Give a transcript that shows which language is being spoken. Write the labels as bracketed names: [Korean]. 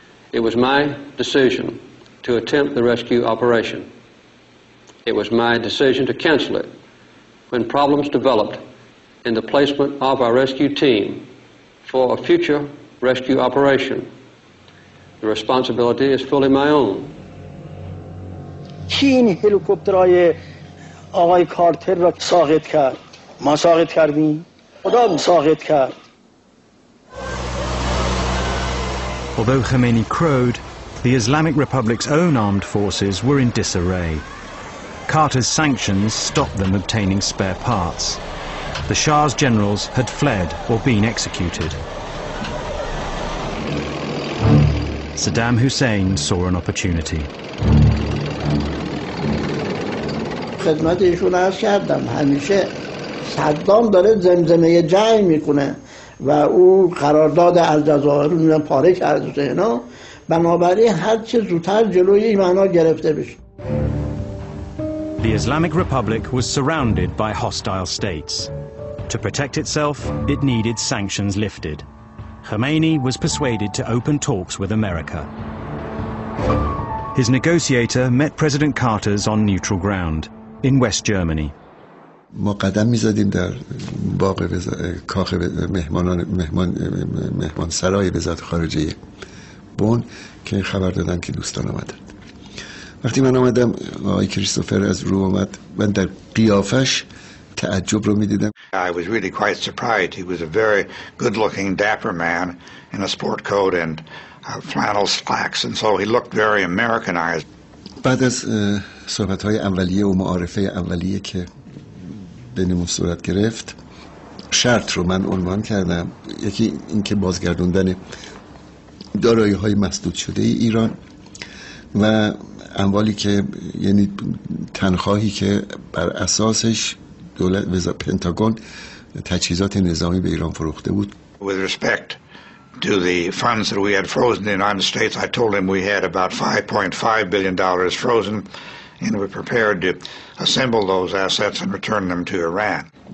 [English] It was my decision to attempt the rescue operation. It was my decision to cancel it when problems developed in the placement of our rescue team for a future rescue operation. The responsibility is fully my own. [Persian] Keen helicopter, آقای کارتر را ساقط کرد. ما ساقط کردیم. خدا هم ساقط کرد. [English] Although Khomeini crowed, the Islamic Republic's own armed forces were in disarray. Carter's sanctions stopped them obtaining spare parts. The Shah's generals had fled or been executed. Saddam Hussein saw an opportunity. [Persian] خدمت ایشون عرض کردم همیشه صدام داره زمزمه جنگ میکنه و او قرارداد الجزایر رو پاره کرده از اینا بنابراین هر چه زودتر جلوی این معنا گرفته بشه. [English] The Islamic Republic was surrounded by hostile states. To protect itself, it needed sanctions lifted. Khomeini was persuaded to open talks with America. His negotiator met President Carter's on neutral ground in West Germany. [Persian] ما قدم می‌زدیم در باغ کاخ مهمانان مهمان سرای وزارت خارجه بن که خبر دادن که دوستان آمدند. وقتی من آمدم آقای کریستوفر از رو آمد من در قیافش تعجب رو می‌دیدم. [English] I was really quite surprised. He was a very good-looking dapper man in a sport coat and flannel slacks and so he looked very Americanized. [Persian] بعد از صحبت‌های اولیه و معارفه اولیه که بینمون صورت گرفت شرط رو من عنوان کردم یکی اینکه بازگردوندن دارایی‌های مسدود شده ای ایران و اموالی که یعنی تنخواهی که بر اساسش دولت پنتاگون تجهیزات نظامی به ایران فروخته بود. [English] With respect to the funds that we had frozen in the United States, I told him we had about $5.5 billion frozen and we prepared to assemble those assets and return them to Iran.